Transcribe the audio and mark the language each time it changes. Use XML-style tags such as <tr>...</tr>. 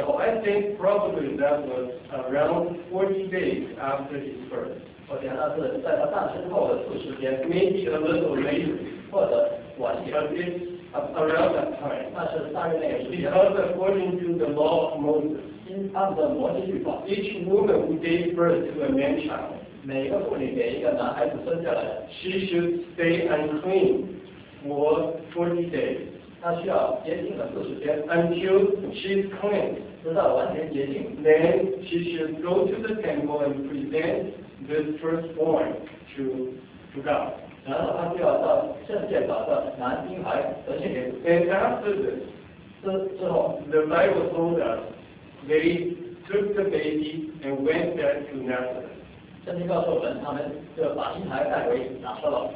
<en>I think probably that was around 40 days after his birth.</en> <zh>我想那是在他诞生后的40天。</zh> <en>Maybe a little later.</en> <zh>或者晚一点。</zh> <en>But it's around that time.</en> <zh>那是大约那个时间。</zh> <en>Because according to the law of Moses,</en> <zh>按照摩西律法,</zh> <en>each woman who gave birth to a man child,</en> <zh>每个妇女给一个男孩子生下来,</zh> <en>she should stay unclean for 40 days.</en> <zh>她需要洁净的40天,</zh> <en>until she's clean.</en> <zh>直到完全洁净,</zh> <en>then she should go to the temple and present this firstborn to God.</en> <zh>然后她就要到圣殿把这男婴孩呈现给主。</zh> <en>And after this,</en> <zh>之后,</zh> <en>the Bible told us, they took the baby and went back to Nazareth.</en>